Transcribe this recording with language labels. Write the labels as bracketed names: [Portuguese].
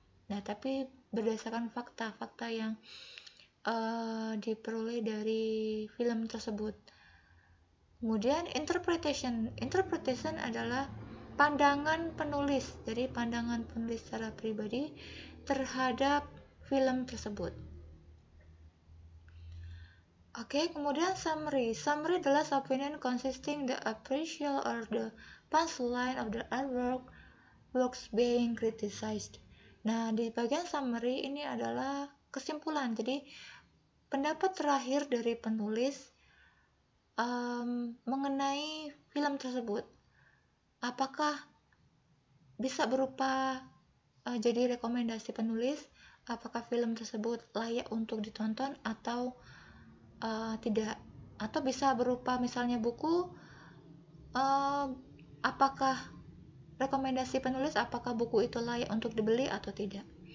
[Indonesian] Nah, tapi berdasarkan fakta-fakta yang diperoleh dari film tersebut. Kemudian, interpretation. Interpretation adalah pandangan penulis, jadi pandangan penulis secara pribadi terhadap film tersebut. Oke, kemudian summary. [English] Summary adalah opinion consisting the appraisal or the punchline of the artwork works being criticized. [Indonesian] Nah, di bagian summary ini adalah kesimpulan. Jadi, pendapat terakhir dari penulis mengenai film tersebut. Apakah bisa berupa jadi rekomendasi penulis, apakah film tersebut layak untuk ditonton atau tidak, atau bisa berupa misalnya buku, apakah rekomendasi penulis, apakah buku itu layak untuk dibeli atau tidak.